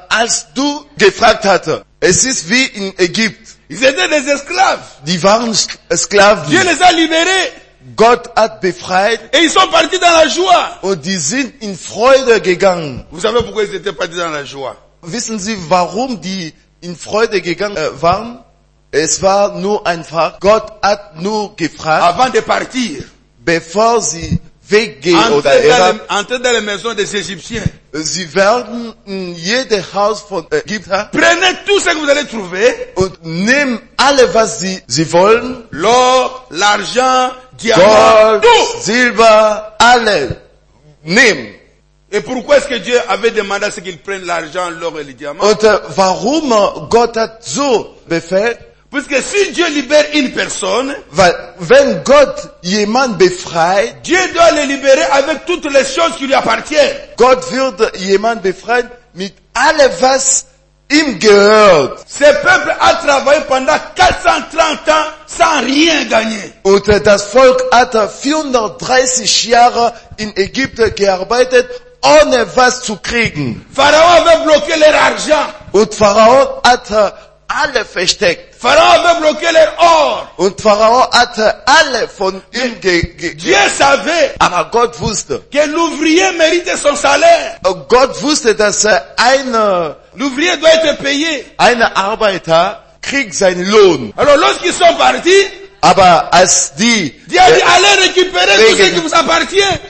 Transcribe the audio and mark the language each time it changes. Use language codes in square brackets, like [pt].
[de] Als du gefragt hattest, es ist wie in Ägypten. [fr] Ils étaient des esclaves. [de] Die waren Sklaven. [fr] Dieu les a libérés. [de] Gott hat befreit. [fr] Et ils sont partis dans la joie. [de] Und die sind in Freude gegangen. [fr] Vous savez pourquoi ils étaient partis dans la joie? [de] Wissen Sie, warum die in Freude gegangen waren? Es war nur einfach, Gott hat nur gefragt, [fr] avant de partir, [de] bevor sie weggehen, [fr] entrer dans les maisons des Égyptiens, [de] sie werden in jedes Haus von Ägypter, [fr] prenez tout ce que vous allez trouver, [de] und nehmen alle, was sie wollen, [fr] l'or, l'argent, diamant, Gold, tout, [de] Silber, alle, nehmen. [fr] Et pourquoi est-ce que Dieu avait demandé à ce qu'ils prennent l'argent, l'or et le diamant? [de] Und warum Gott hat so befehlt? [fr] Puisque si Dieu libère une personne, [de] weil, wenn Gott jemand befreit, [fr] Dieu doit le libérer avec toutes les choses qui lui appartiennent. [de] Gott wird jemand befreien mit allem, was ihm gehört. [fr] Ce peuple a travaillé pendant 430 ans sans rien gagner. [de] Und das Volk hat 430 Jahre in Ägypten gearbeitet, ohne was zu kriegen. [fr] Pharaon avait bloqué leur argent. [de] Und Pharaon hat alle versteckt. [fr] Pharaon avait bloqué leur or. [de] Und Pharaon hat alle von ihm [fr] Dieu savait. [de] Aber Gott wusste. [fr] Que l'ouvrier méritait son salaire. [de] Gott wusste, dass [fr] l'ouvrier doit être payé. [de] Ein Arbeiter kriegt seinen Lohn. [fr] Alors lorsqu'ils sont partis, [de] aber als die [fr] allez récupérer tout ce qui vous appartient.